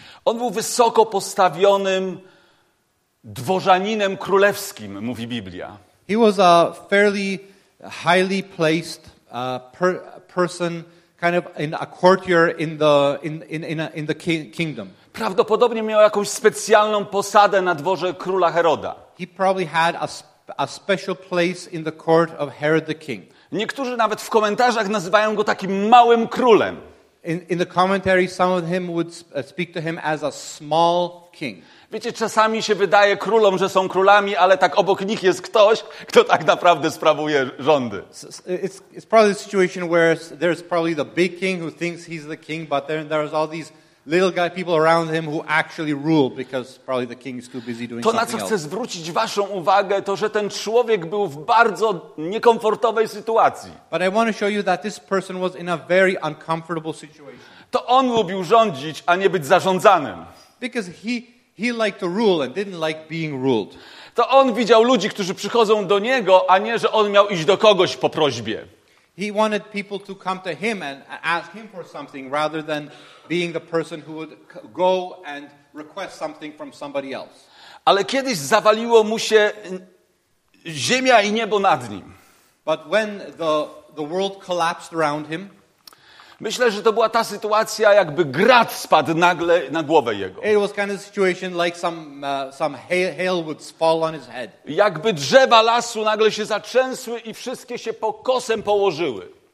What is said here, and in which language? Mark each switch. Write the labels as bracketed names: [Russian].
[Polish] On był wysoko postawionym dworzaninem królewskim, mówi Biblia. [English] He was a fairly highly placed person, kind of in a courtier in the kingdom. [Polish] Prawdopodobnie miał jakąś specjalną posadę na dworze króla Heroda. [English] He probably had a special place in the court of Herod the king. [Polish] Niektórzy nawet w komentarzach nazywają go takim małym królem. [English] In the commentary, some of him would speak to him as a small king. [Polish] Wiecie, czasami się wydaje królom, że są królami, ale tak obok nich jest ktoś, kto tak naprawdę sprawuje rządy. [English] It's probably a situation where there's probably the big king who thinks he's the king, but then there's all these little guy people around him who actually rule, because probably the king is too busy doing something else. [Polish] To, na co chcę zwrócić waszą uwagę, to, że ten człowiek był w bardzo niekomfortowej sytuacji. [English] But I want to show you that this person was in a very uncomfortable situation. [Polish] To on lubił rządzić, a nie być zarządzanym. [English] Because he liked to rule and didn't like being ruled. [Polish] To on widział ludzi, którzy przychodzą do niego, a nie, że on miał iść do kogoś po prośbie. [English] He wanted people to come to him and ask him for something rather than being the person who would go and request something from somebody else. [Polish] Ale kiedyś zawaliło mu się ziemia i niebo nad nim. [English] But when the world collapsed around him, [Polish] myślę, że to była ta sytuacja, jakby grat spadł nagle na głowę jego. [English] It was kind of situation like some hail would fall on his head. [Polish] Jakby drzewa lasu nagle się zatrzęsły i wszystkie się pokosem położyły.